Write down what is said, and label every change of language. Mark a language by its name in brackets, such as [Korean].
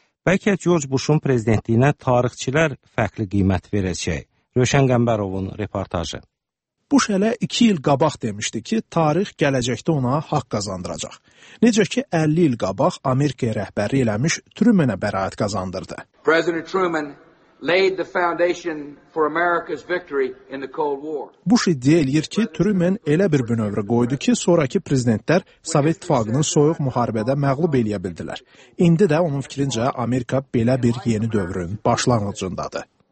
[Azerbaijani] Bəlkə George Bush'un prezidentliyinə tarixçilər fərqli qiymət verəcək. Röşən Qəmbərovun reportajı. Bush elə 2 il qabaq demişdi ki, tarix gələcəkdə ona haqq qazandıracaq. Necə ki, 50 il qabaq Amerika rəhbəri eləmiş Truman'ə bəraət qazandırdı. [English] President Truman laid the foundation for America's victory in the Cold War. [Azerbaijani] Bush iddia eləyir ki, Truman elə bir bünövrə qoydu ki, sonrakı prezidentlər Sovet İttifaqını soyuq müharibədə məğlub eləyə bildilər. İndi də onun fikrincə Amerika belə bir yeni dövrün başlanğıcındadır.